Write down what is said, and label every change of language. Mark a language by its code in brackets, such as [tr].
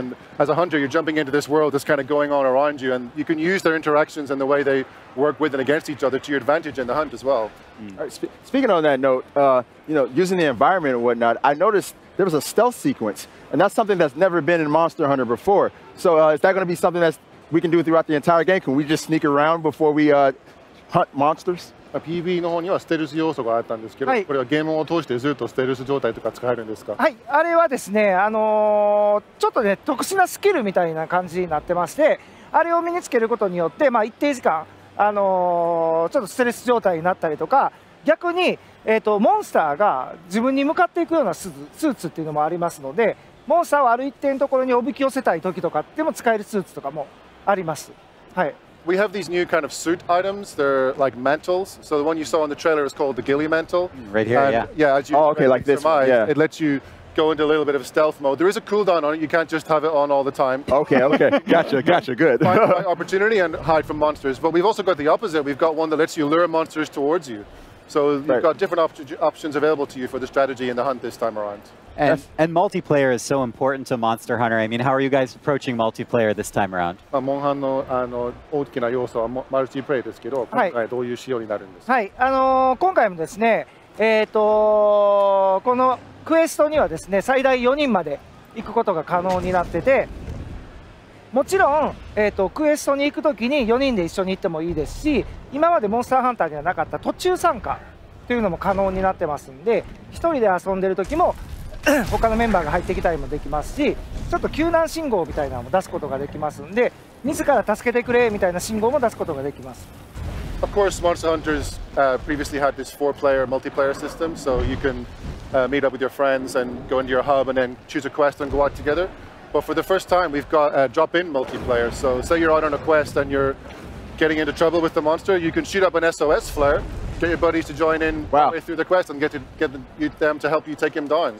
[en] And as a hunter, you're jumping into this world that's kind of going on around you, and you can use their interactions and the way they work with and against each other to your advantage in the hunt as well. All right, speaking on that note, using the environment and whatnot, I noticed there was a stealth sequence, and that's something that's never been in Monster Hunter before. So is that going to be something that we can do throughout the entire game? Can we just sneak around before we hunt monsters? [ja] PV の方にはステルス要素があったんですけど、はい、これはゲームを通してずっとステルス状態とか使えるんですか？はい、あれはですね、ちょっとね、特殊なスキルみたいな感じになってまして、あれを身につけることによって、まあ、一定時間、ちょっとステルス状態になったりとか、逆に、モンスターが自分に向かっていくようなスーツっていうのもありますので、モンスターをある一定のところにおびき寄せたい時とかでも使えるスーツとかもあります。はい。 [en] We have these new kind of suit items. They're like mantles. So the one you saw in the trailer is called the Ghillie Mantle. Right here, and, yeah. Yeah, as you it lets you go into a little bit of stealth mode. There is a cooldown on it. You can't just have it on all the time. Okay. Gotcha, good. Find the right opportunity and hide from monsters. But we've also got the opposite. We've got one that lets you lure monsters towards you. So you've got different options available to you for the strategy and the hunt this time around. And, and multiplayer is so important to Monster Hunter. I mean, how are you guys approaching multiplayer this time around? [ja] Monhan の あの大きな要素は multiplayer ですけど、はい、今回どういう仕様になるんですか？はい、今回もですね、このクエストにはですね、最大4人まで行くことが可能になってて、もちろん、クエストに行くときに4人で一緒に行ってもいいですし、今までモンスターハンターにはなかった途中参加というのも可能になってますんで、1人で遊んでる時も他のメンバーが入ってきたりもできますし、ちょっと救難信号みたいなのも出すことができますので、自ら助けてくれみたいな信号も出すことができます。 [en] Of course, Monster Hunters previously had this four-player multiplayer system, so you can meet up with your friends and go into your hub and then choose a quest and go out together. But for the first time, we've got drop-in multiplayer. So say you're out on a quest and you're getting into trouble with the monster, you can shoot up an SOS flare, get your buddies to join in way through the quest and get them to help you take him down.